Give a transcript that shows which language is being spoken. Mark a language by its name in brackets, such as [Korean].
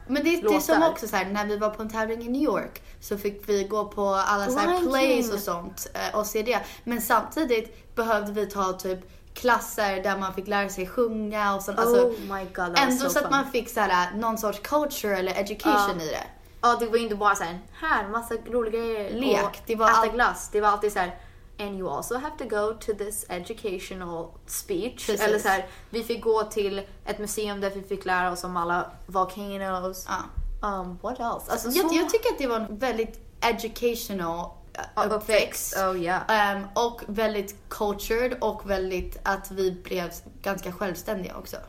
[Swedish] Men det är som också så här, när vi var på en tävling i New York så fick vi gå på alla så här plays och sånt och se det. Men samtidigt behövde vi ta typ klasser där man fick lära sig sjunga och sånt. [English] Oh [Swedish] alltså, [English] my god. [Swedish] Ändå så att man fick så här, någon sorts culture eller education i det. Ja, det var inte bara så här massa roliga grejer. Lek. Det var äta glass. Det var alltid så här, [English] and you also have to go to this educational speech. [Swedish] Precis. Eller så här, vi fick gå till ett museum där vi fick lära oss om alla volcanoes. [English] What else? [Swedish] Alltså, jag tycker att det var en väldigt educational uppväxt. [English] Oh, yeah. [Swedish] Och väldigt cultured och väldigt att vi blev ganska självständiga också.